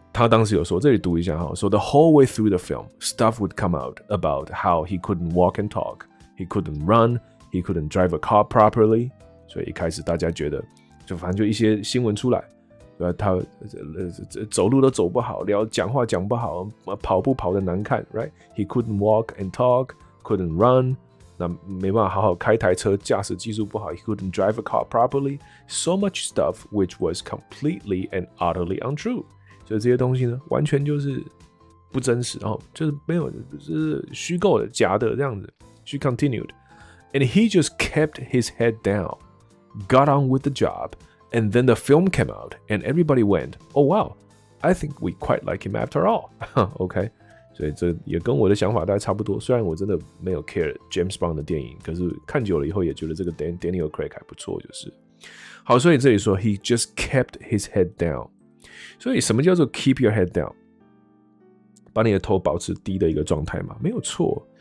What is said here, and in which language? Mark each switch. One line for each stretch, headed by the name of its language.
Chinese: 他当时有说，这里读一下哈，说
English: the whole way through the film, stuff would come out about how he couldn't walk and talk, he couldn't run, he couldn't drive a car properly.
Chinese: 所以一开始大家觉得，就反正就一些新闻出来，对吧？他走路都走不好，聊讲话讲不好，跑步跑得难看 ，
English: right? He couldn't walk and talk, couldn't run.
Chinese: 那没办法好好开台车，驾驶技术不好
English: ，he couldn't drive a car properly. So much stuff which was completely and utterly untrue.
Chinese: 所以这些东西呢，完全就是不真实，然后就是没有，就是虚构的、假的这样子。
English: She continued, and he just kept his head down, got on with the job, and then the film came out, and everybody went, "Oh wow, I think we quite like him after all."
Chinese: OK， 所以这也跟我的想法大概差不多。虽然我真的没有 care James Bond 的电影，可是看久了以后也觉得这个 Daniel Craig 还不错，就是好。所以这里说
English: he just kept his head down。
Chinese: 所以什么叫做
English: keep your head down，
Chinese: 把你的头保持低的一个状态嘛，没有错。